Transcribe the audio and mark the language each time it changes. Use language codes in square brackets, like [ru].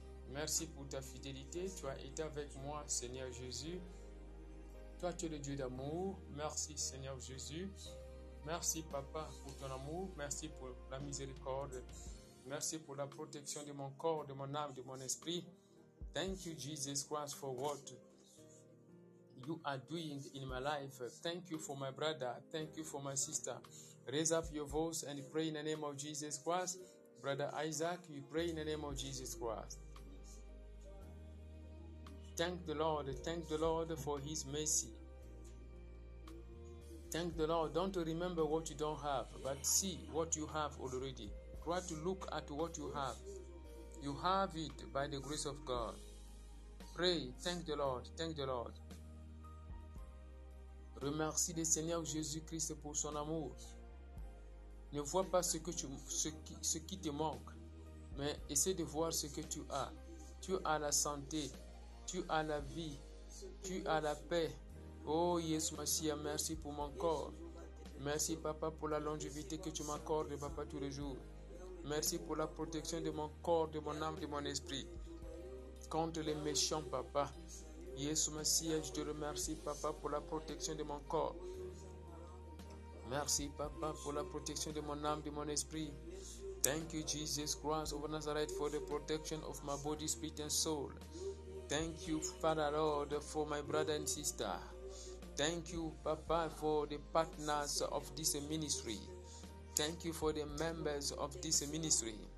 [fr] Merci pour ta fidélité. Tu as été avec moi, Seigneur Jésus. Toi, tu es le Dieu d'amour. Merci, Seigneur Jésus. Merci, papa, pour ton amour. Merci pour la miséricorde. Merci pour la protection de mon corps, de mon âme, de mon esprit. [en] Thank you, Jesus Christ, for what you are doing in my life. Thank you for my brother. Thank you for my sister. Raise up your voice and pray in the name of Jesus Christ. Brother Isaac, you pray in the name of Jesus Christ. Thank the Lord. Thank the Lord for his mercy. Thank the Lord. Don't remember what you don't have, but see what you have already. Try to look at what you have. You have it by the grace of God. Pray. Thank the Lord. Thank the Lord. [fr] Remercie le Seigneur Jésus-Christ pour son amour. Ne vois pas ce qui te manque, mais essaie de voir ce que tu as. Tu as la santé, tu as la vie, tu as la paix. Oh, Jésus, merci pour mon corps. Merci, papa, pour la longévité que tu m'accordes, papa, tous les jours. Merci pour la protection de mon corps, de mon âme, de mon esprit. Contre les méchants, papa. Jésus, je te remercie, papa, pour la protection de mon corps. Merci, papa, pour la protection de mon âme, de mon esprit. [en] Thank you, Jesus Christ of Nazareth, for the protection of my body, spirit, and soul. Thank you, Father Lord, for my brother and sister. Thank you, papa, for the partners of this ministry. Thank you for the members of this ministry.